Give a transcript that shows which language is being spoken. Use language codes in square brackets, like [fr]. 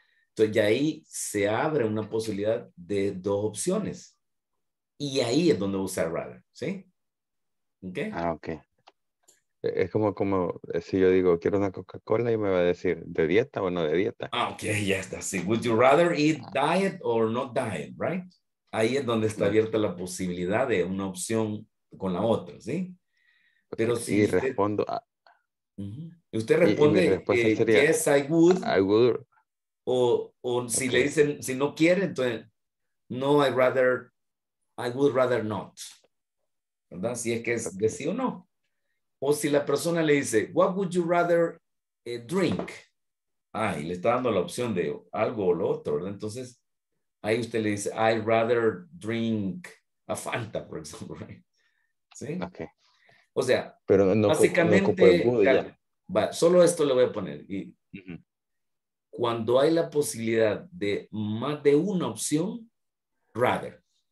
[es] Entonces, ya ahí se abre una posibilidad de dos opciones. Y ahí es donde usa rather, ¿sí? ¿Ok? Ah, ok. Es como si yo digo, quiero una Coca-Cola y me va a decir, ¿de dieta o no de dieta? Ah, ok, ya está. Sí. [en] Would you rather eat diet or not diet, right? [es] Ahí es donde está abierta la posibilidad de una opción con la otra, ¿sí? Pero si y respondo. Usted responde, sería, yes, I would. O si okay. Le dicen, si no quiere, entonces, no, I would rather not. ¿Verdad? Si es que es de sí o no. O si la persona le dice, what would you rather drink? Ah, y le está dando la opción de algo o lo otro, ¿verdad? Entonces, ahí usted le dice, I'd rather drink a Fanta, por ejemplo, right? ¿Sí? Ok. O sea, pero no básicamente, solo esto le voy a poner. Y cuando hay la posibilidad de más de una opción, rather.